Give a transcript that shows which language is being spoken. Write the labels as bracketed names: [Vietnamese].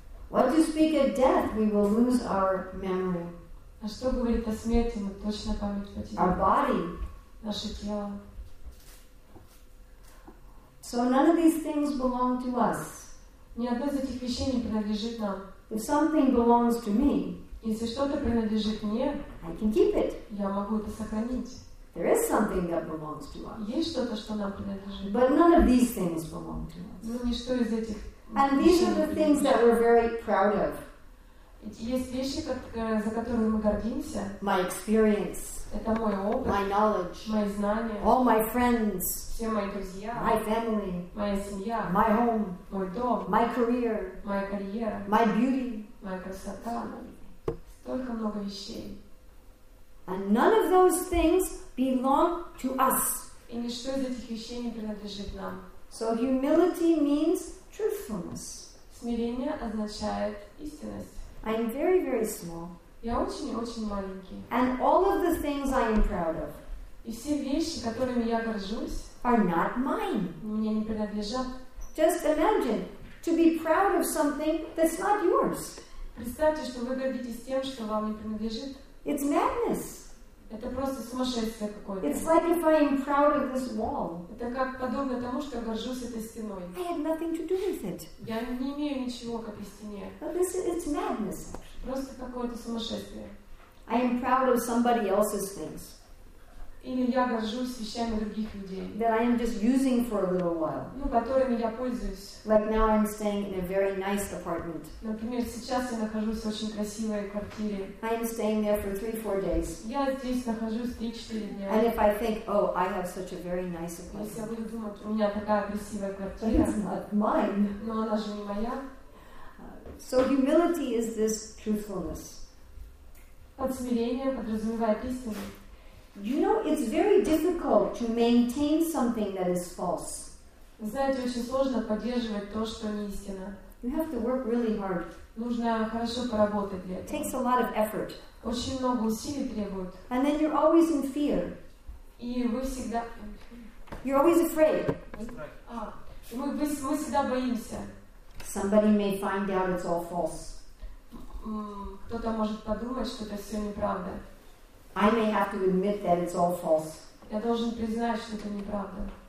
[English] What to speak of death, we will lose our memory. [Russian] А что говорит о смерти, мы точно память потеряем. [English] Our body. [Russian] Наше тело. [English] So none of these things belong to us. [Russian] Ни одно из этих вещей не принадлежит нам. [English] If something belongs to me, [Russian] если что-то принадлежит мне, [English] I can keep it. [Russian] Я могу это сохранить. [English] There is something that belongs to us. [Russian] Есть что-то, что нам принадлежит. [English] But none of these things belong to us. [Russian] Ну, ничто из этих. [English] And these are the things that we're very proud of. [Russian] Есть вещи, за которые мы гордимся. [English] My experience. [Russian] Это мой опыт. [English] My knowledge. [Russian] Мои знания. [English] All my friends. [Russian] Все мои друзья. [English] My family. [Russian] Моя семья. [English] My home. [Russian] Мой дом. [English] My career. [Russian] Моя карьера. [English] My beauty. [Russian] Моя красота. Столько много вещей. [English] And none of those things belong to us. [Russian] И ничто из этих вещей не принадлежит нам. [English] So humility means truthfulness. [Russian] Смирение означает истинность. [English] I am very, very small. [Russian] Я очень, очень маленький. [English] And all of the things I am proud of. [Russian] И все вещи, которыми я горжусь, [English] are not mine. [Russian] Мне не принадлежат. [English] Just imagine to be proud of something that's not yours. [Russian] Представьте, что вы гордитесь тем, что вам не принадлежит. [English] It's madness. [Russian] Это просто сумасшествие какое-то. [English] It's like if I am proud of this wall. [Russian] Это как подобно тому, что я горжусь этой стеной. [English] I have nothing to do with it. [Russian] Я не имею ничего к этой стене. [English] But this is, it's madness. [Russian] Просто какое-то сумасшествие. [English] I am proud of somebody else's things. [Russian] Или я горжусь вещами других людей. [English] That I am just using for a little while. [Russian] Ну, которыми я пользуюсь. [English] Like now I'm staying in a very nice apartment. [Russian] Например, сейчас я нахожусь в очень красивой квартире. [English] I am staying there for 3-4 days. [Russian] Я здесь нахожусь 3-4 дня. [English] And if I think, oh, I have such a very nice apartment. [Russian] Если я буду думать, у меня такая красивая квартира. [English] But it's not mine. [Russian] Но она же не моя. [English] So humility is this truthfulness. [Russian] Под смирением подразумевает истину. [English] You know, it's very difficult to maintain something that is false. [Russian] Знаете, очень сложно поддерживать то, что не истина. [English] You have to work really hard. [Russian] Нужно хорошо поработать для этого. [English] It takes a lot of effort. [Russian] Очень много усилий требует. [English] And then you're always in fear. [Russian] И вы всегда. [English] You're always afraid. [Russian] Мы всегда боимся. [English] Somebody may find out it's all false. [Russian] Кто-то может подумать, что это все неправда. [English] I may have to admit that it's all false. [Russian] Я должен признать, что это неправда.